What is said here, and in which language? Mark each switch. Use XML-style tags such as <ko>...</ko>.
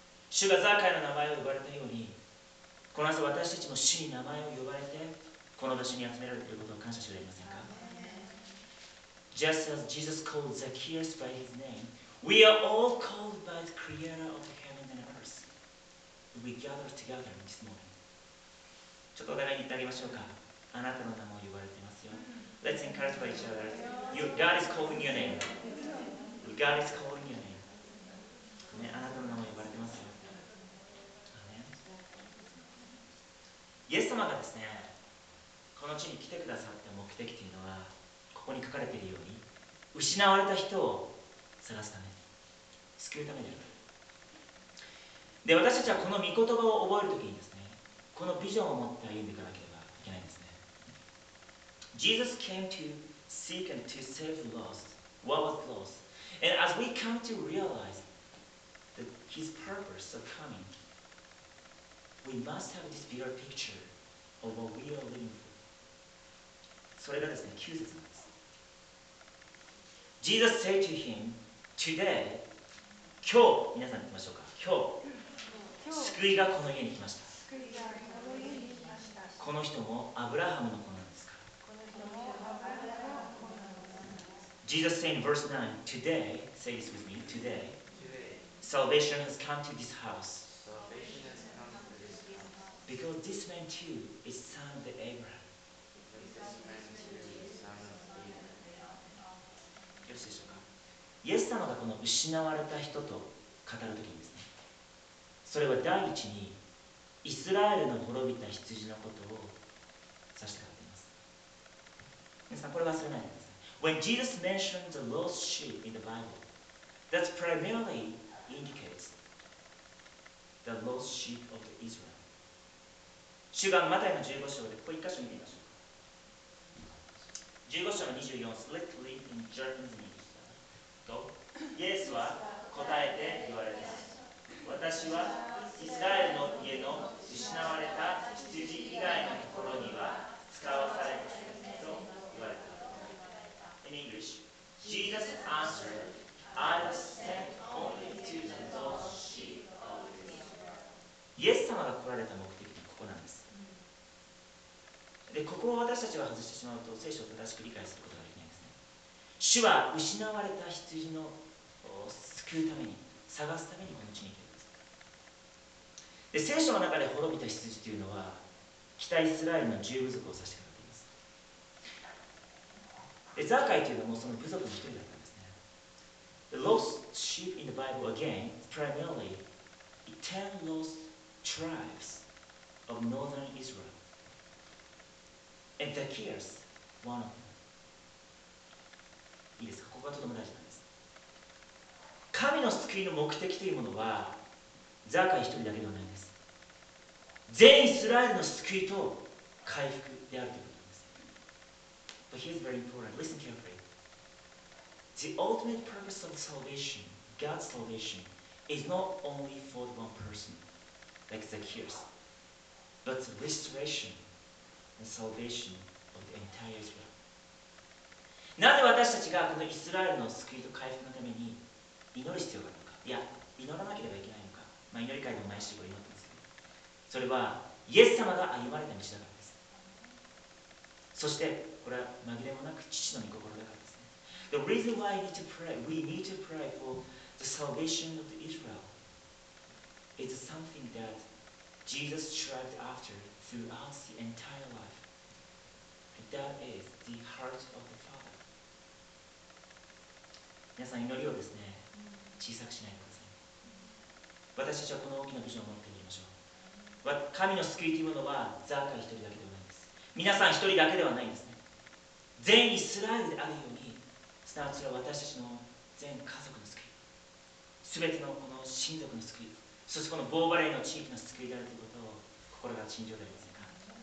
<ja>主がザーカイの名前を呼ばれたように、この朝私たちも主に名前を呼ばれて、この場所に集められていることを感謝しておりませんか。</ja> <en>Just as Jesus called Zacchaeus by his name, we are all called by the creator of heaven and earth. We gather together this morning.</en> <ja>ちょっとお互いに言ってあげましょうか。あなたの名前を呼ばれていますよ。</ja> <en>Let's encourage by each other. God is calling your name. God is calling your name.、</en> <ja>ね、あなたの名前を呼ばれていますよ。アメン。イエス様がですね、この地に来てくださった目的というのは、ここに書かれているように失われた人を探すため救うためである。で、私たちはこの御言葉を覚えるときにですね、このビジョンを持って歩んでいかなければいけないんですね。</ja> <en>Jesus came to seek and to save lost what was lost. And as we come to realize that his purpose of coming, we must have this bigger picture of what we are living for.</en> <ja>それがですね、旧説。</ja> <en>Jesus said to him, Today,</en> <ja>今日、皆さん行きましょうか。今日、救いがこの家に来ました。この人もアブラハムの子なんですか。</ja> <en>Jesus said in verse 9, Today, say this with me, Today, salvation has come to this house. Because this man too is son of Abraham.</en> <ja>イエス様がこの失われた人と語るときにですね、それは第一にイスラエルの滅びた羊のことを指して語っています。皆さんこれ忘れないでください。</ja> <en>When Jesus mentioned the lost sheep in the Bible, that primarily indicates the lost sheep of Israel.</en> <ja>主がマタイの15章でここ一箇所見てみましょう。 15章の24</ja> <en>Strictly in Germany.</en> <ja>とイエスは答えて言われた。私はイスラエルの家の失われた羊以外のところには使わされないと言われた。</ja> <en>In English, Jesus answered, I was sent only to the lost sheep of Israel.</en> <ja>イエス様が来られた目的はここなんです。で、ここを私たちが外してしまうと聖書を正しく理解することが、主は失われた羊のを救うために、探すためにこの地に来ています。で、聖書の中で滅びた羊というのは、北イスラエルの十部族を指してくれています。で、ザーカイというのもその部族の一人だったんですね。</ja> <en>The lost sheep in the Bible again, primarily, the ten lost tribes of northern Israel. And Zacchaeus, one of them.</en> <ja>いいですか。ここがとても大事なんです。神の救いの目的というものはザーカイ一人だけではないんです。全イスラエルの救いと回復であるということなんです。</ja> <en>But here's very important. Listen carefully. The ultimate purpose of salvation, God's salvation, is not only for the one person like Zacchaeus, but the restoration and salvation of the entire Israel.</en> <ja>なぜ私たちがこのイスラエルの救いと回復のために祈る必要があるのか、いや、祈らなければいけないのか、まあ、祈り会でも毎週ご祈ってますけど、それはイエス様が歩まれた道だからです。そして、これは紛れもなく父の御心だからですね。</ja> <en>The reason why we need to pray for the salvation of Israel is something that Jesus strived after throughout the entire life. And that is the heart of the Father.</en> <ja>皆さん祈りをですね、小さくしないでください。私たちはこの大きなビジョンを持っていきましょう。神の救いというものはザーカイ一人だけではないんです。皆さん一人だけではないんですね。全イスラエルであるように、すなわちは私たちの全家族の救い、すべてのこの親族の救い、そしてこのボーバレーの地域の救いであるということを心が信じておりませんか。</ja>